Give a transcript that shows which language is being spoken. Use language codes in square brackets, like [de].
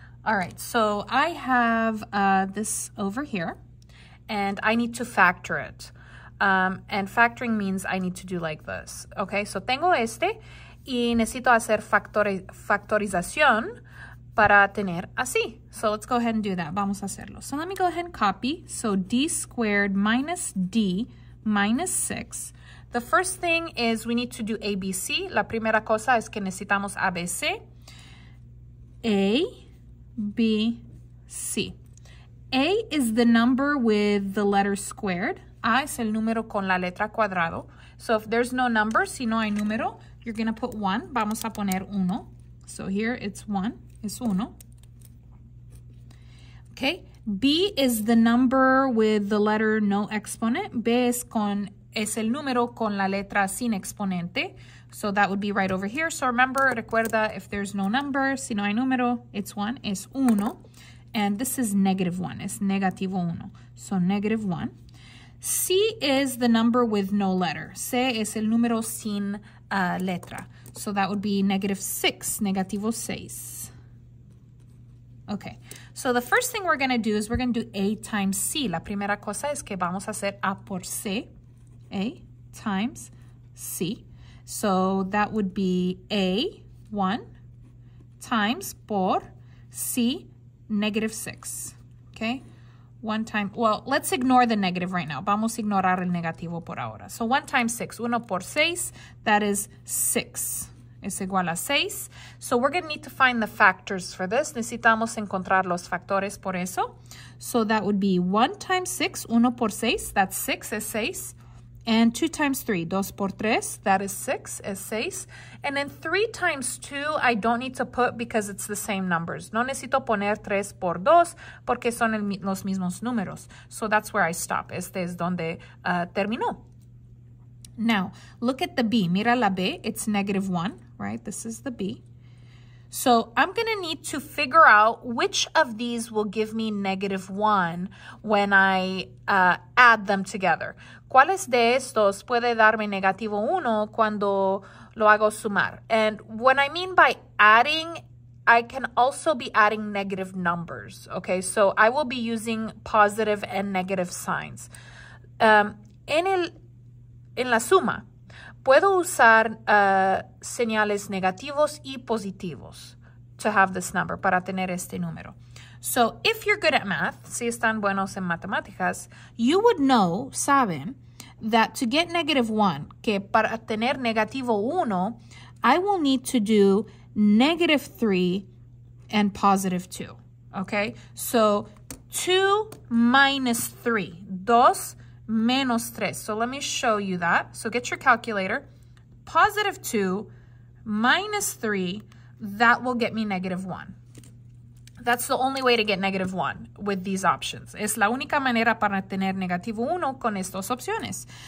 [en] All right, so I have this over here, and I need to factor it. And factoring means I need to do like this. Okay, so [es] tengo este, y necesito hacer factorización para tener así. [en] So let's go ahead and do that. [es] Vamos a hacerlo. [en] So let me go ahead and copy. So d squared minus d minus 6. The first thing is we need to do ABC. [es] La primera cosa es que necesitamos ABC. [en] A, B, C. A is the number with the letter squared. [es] A es el número con la letra cuadrado. [en] So if there's no number, [es] si no hay número, [en] you're going to put 1. [es] Vamos a poner 1. [en] So here it's 1. [es] Es 1. [en] Okay. B is the number with the letter no exponent. [es] B es con... Es el número con la letra sin exponente. [en] So that would be right over here. So remember, [es] recuerda, [en] if there's no number, [es] si no hay número, [en] it's 1, [es] es 1. [en] And this is negative 1, [es] es negativo 1. [en] So negative 1. C is the number with no letter. [es] C es el número sin letra. [en] So that would be negative 6, [es] negativo 6. [en] Okay, so the first thing we're going to do is we're going to do A times C. [es] La primera cosa es que vamos a hacer A por C. [en] A times C. So that would be A, 1, times por C, negative 6. Okay? One time, well, let's ignore the negative right now. [es] Vamos a ignorar el negativo por ahora. [en] So 1 times 6. [es] 1 por 6, [en] that is 6. [es] Es igual a 6. [en] So we're going to need to find the factors for this. [es] Necesitamos encontrar los factores por eso. [en] So that would be 1 times 6. [es] 1 por 6, [en] that's 6, [es] es 6. [en] And 2 times 3, [es] 2 por 3, [en] that is 6, es 6. And then 3 times 2, I don't need to put because it's the same numbers. [es] No necesito poner 3 por 2 porque son los mismos números. [en] So that's where I stop. [es] Este es donde terminó. [en] Now, look at the B. [es] Mira la B. [en] It's negative 1, right? This is the B. So I'm going to need to figure out which of these will give me negative 1 when I add them together. [es] ¿Cuáles de estos puede darme negativo 1 cuando lo hago sumar? [en] And what I mean by adding, I can also be adding negative numbers, okay? So I will be using positive and negative signs. [es] En la suma, puedo usar señales negativos y positivos [en] to have this number, [es] para tener este número. [en] So if you're good at math, [es] si están buenos en matemáticas, [en] you would know, [es] saben, [en] that to get negative 1, [es] que para tener negativo 1, [en] I will need to do negative 3 and positive 2, okay? So 2 minus 3, [es] 2 menos 3. [en] So let me show you that. So get your calculator. Positive 2 minus 3, that will get me negative 1. That's the only way to get negative 1 with these options. [es] Es la única manera para tener negativo 1 con estas opciones.